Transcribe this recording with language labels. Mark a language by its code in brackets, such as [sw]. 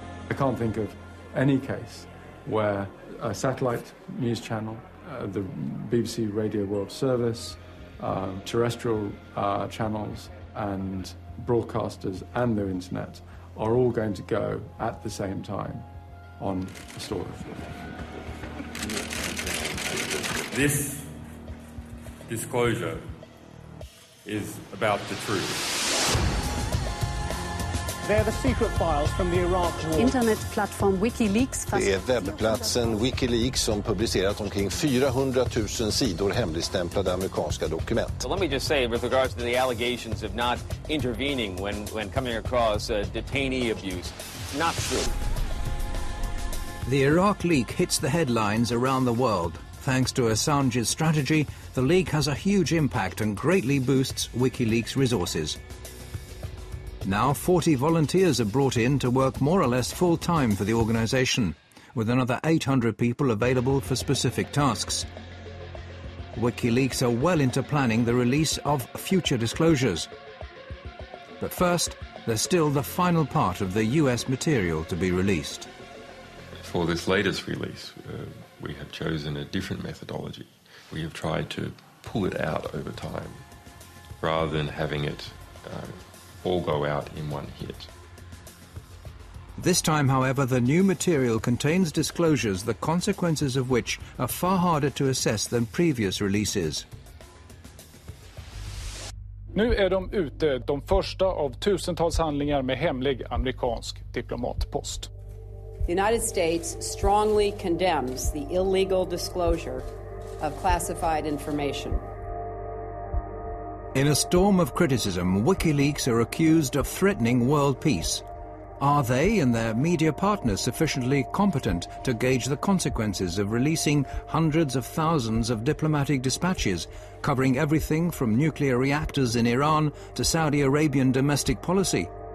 [en] I can't think of any case where a satellite news channel, the BBC Radio World Service, terrestrial channels and broadcasters and the internet are all going to go at the same time on a story. This disclosure is about the truth. They're the secret files from the Iraq war. Internet platform WikiLeaks. [sv] Det är webbplatsen WikiLeaks som publicerat omkring 400 000 sidor hemligstämplade amerikanska dokument. [en] Well, let me just say, with regards to the allegations of not intervening when coming across detainee abuse, not true. The Iraq leak hits the headlines around the world. Thanks to Assange's strategy, the leak has a huge impact and greatly boosts WikiLeaks' resources. Now 40 volunteers are brought in to work more or less full-time for the organization, with another 800 people available for specific tasks. WikiLeaks are well into planning the release of future disclosures. But first, there's still the final part of the US material to be released. For this latest release, we have chosen a different methodology. We have tried to pull it out over time, rather than having it all go out in one hit. This time, however, the new material contains disclosures the consequences of which are far harder to assess than previous releases. [sv] Nu är de ute, de första av tusentals handlingar med hemlig amerikansk diplomatpost. [en] The United States strongly condemns the illegal disclosure of classified information. In a storm of criticism, WikiLeaks are accused of threatening world peace. Are they and their media partners sufficiently competent to gauge the consequences of releasing hundreds of thousands of diplomatic dispatches, covering everything from nuclear reactors in Iran to Saudi Arabian domestic policy?